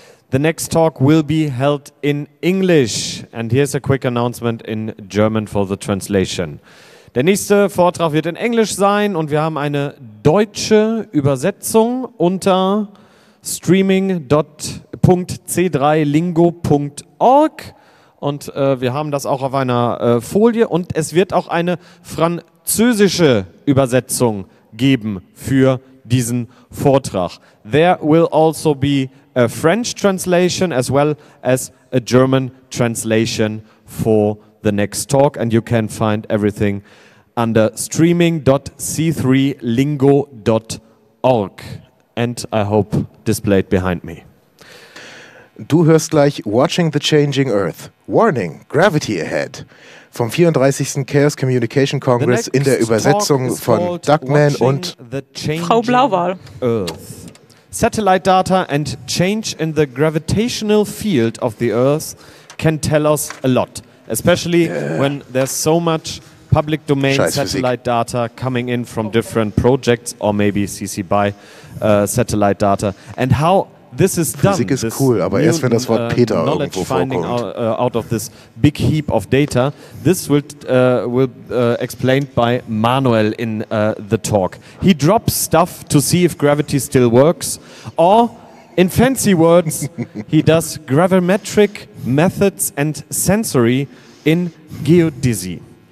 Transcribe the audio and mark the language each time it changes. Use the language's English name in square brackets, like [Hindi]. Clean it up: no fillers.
[English] The next talk will be held in English. And here's a quick announcement in German for the translation. [German] Der nächste Vortrag wird in Englisch sein und wir haben eine deutsche Übersetzung unter streaming.c3lingo.org. Und wir haben das auch auf einer Folie und es wird auch eine französische Übersetzung geben für diesen Vortrag. [English] There will also be a French translation as well as a German translation for the next talk, and you can find everything under streaming.c3lingo.org, and I hope displayed behind me. [German] Du hörst gleich Watching the Changing Earth. Warning, gravity ahead. Vom 34. Chaos Communication Congress in der Übersetzung von Duckman und Frau Blauwal. [English] Earth. Satellite data and change in the gravitational field of the Earth can tell us a lot. Especially when there's so much public domain satellite data coming in from different projects or maybe CC BY satellite data. And how this is done. [German] Physik ist cool, aber erst wenn das Wort Peter irgendwo vorkommt. [English] Knowledge finding out of this big heap of data, this will explained by Manuel in the talk. He drops stuff to see if gravity still works, or in fancy words, he does gravimetric methods and sensory in geodesy.